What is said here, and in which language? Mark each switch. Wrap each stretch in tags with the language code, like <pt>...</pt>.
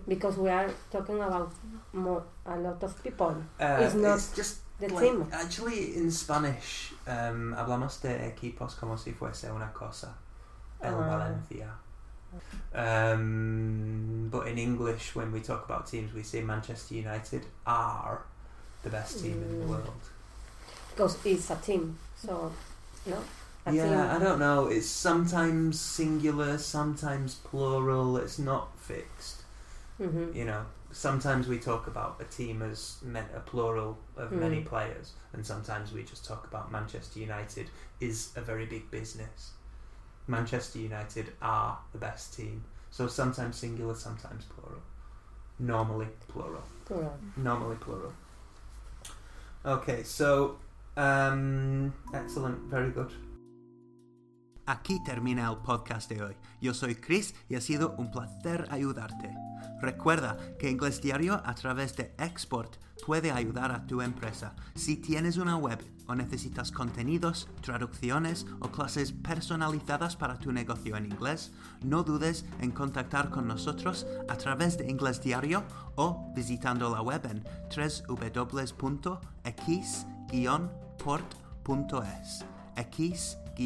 <en>Because we are talking about a lot of people. It's not it's just the like, team. Actually, in Spanish,</en> <es>hablamos de equipos como si fuese una cosa. El Valencia.</es> <en>But in English, when we talk about teams, we say Manchester United are... the best team in the world. Because it's a team, so, no? I don't know. It's sometimes singular, sometimes plural. It's not fixed, you know. sometimes we talk about a team as a plural of mm. many players, and sometimes we just talk about Manchester United is a very big business. Manchester United are the best team. So sometimes singular, sometimes plural. Normally plural. Plural. Normally plural. Okay, so excellent, very good.</en> <es>Aquí termina el podcast de hoy. Yo soy Chris y ha sido un placer ayudarte. Recuerda que Inglés Diario a través de Export puede ayudar a tu empresa. Si tienes una web o necesitas contenidos, traducciones o clases personalizadas para tu negocio en inglés, no dudes en contactar con nosotros a través de Inglés Diario o visitando la web en www.x-port.es.</es>